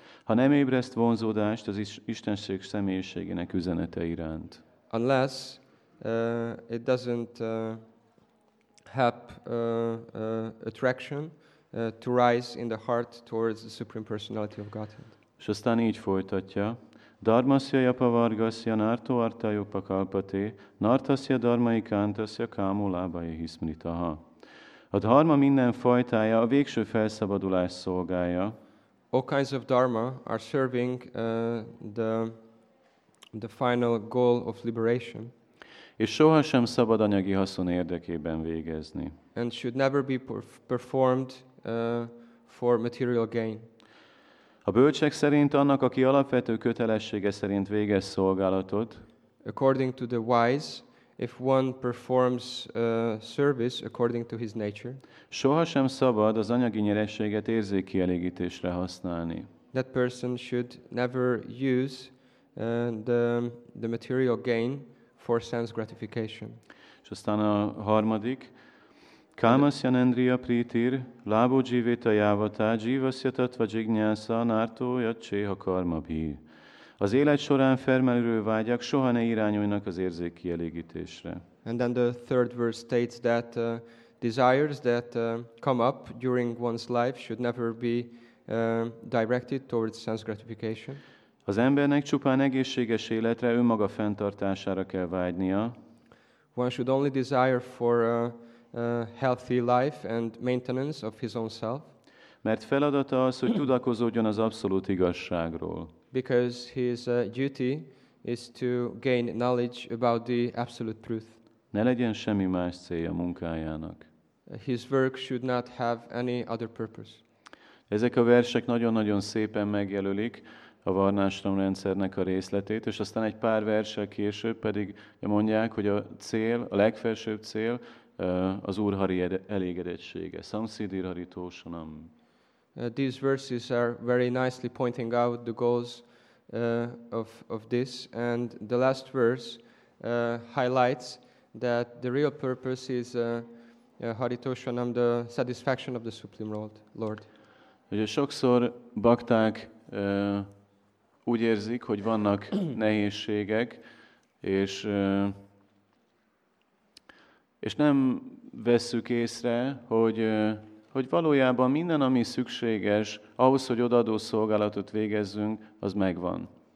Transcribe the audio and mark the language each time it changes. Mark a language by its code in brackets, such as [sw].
[hu] Ha nem ébreszt vonzódást az Istenség személyiségének üzenete iránt. [en] Unless it doesn't help attraction to rise in the heart towards the Supreme Personality of Godhead. [hu] És aztán így folytatja. [sa] Dharmasya japavargasya nartho artayopakalpate nartasya dharmaikantasya kamulabhaye hismritaha. [hu] A dharma minden fajtája a végső felszabadulás szolgálja. [en] All kinds of dharma are serving the final goal of liberation. [hu] És sohasem szabad anyagi haszon érdekében végezni. [en] And should never be performed for material gain. [hu] A bölcsek szerint annak, aki alapvető kötelessége szerint végez szolgálatot, [en] according to the wise, if one performs service according to his nature, [hu] sohasem szabad az anyagi nyerességet érzékkielégítésre használni. [en] That person should never use the material gain for sense gratification. [hu] És aztán a harmadik, [sa] Kamasya nendriya prítir, lábo jivita javata, jivasya tatva jignyasa, nártó yacche ha karma bhi. [hu] Az élet során felmerülő vágyak soha ne irányuljanak az érzék kielégítésre. [en] And then the third verse states that desires that come up during one's life should never be directed towards sense gratification. [hu] Az embernek csupán egészséges életre, önmaga fenntartására kell vágynia. [en] One should only desire for a healthy life and maintenance of his own self. [hu] Mert feladata az, hogy tudakozódjon az abszolút igazságról. [en] Because his duty is to gain knowledge about the absolute truth. [hu] Ne legyen semmi más célja munkájának. [en] His work should not have any other purpose. [hu] Ezek a versek nagyon-nagyon szépen megjelölik a Varnásram rendszernek a részletét, és aztán egy pár verssel később pedig mondják, hogy a cél, a legfelsőbb cél az Úrhari elégedettsége. [sa] Samsiddhir Hari Tosanam. [en] These verses are very nicely pointing out the goals of this, and the last verse highlights that the real purpose is Hari Tosanam, the satisfaction of the Supreme Lord. [hu] Ugye sokszor bakták úgy érzik, hogy vannak nehézségek, és nem vesszük észre, hogy valójában minden, ami szükséges ahhoz, hogy odaadó szolgálatot végezzünk, az megvan.